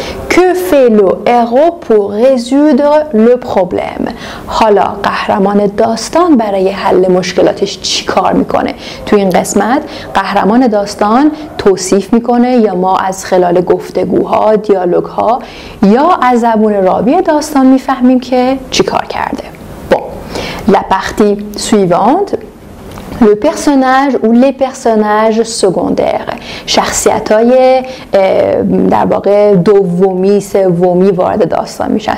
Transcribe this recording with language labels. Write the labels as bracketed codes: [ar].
[fr] Que fait le héros pour résoudre le problème؟ [fa] حالا قهرمان داستان برای حل مشکلاتش چی کار میکنه؟ توی این قسمت قهرمان داستان توصیف میکنه یا ما از خلال گفتگوها، دیالوگها یا از زبون راوی داستان میفهمیم که چی کار کرده. [fr] La partie suivante, le personnage ou les personnages secondaires. [fa] شخصیت‌های در واقع دومی، سومی وارد داستان میشن.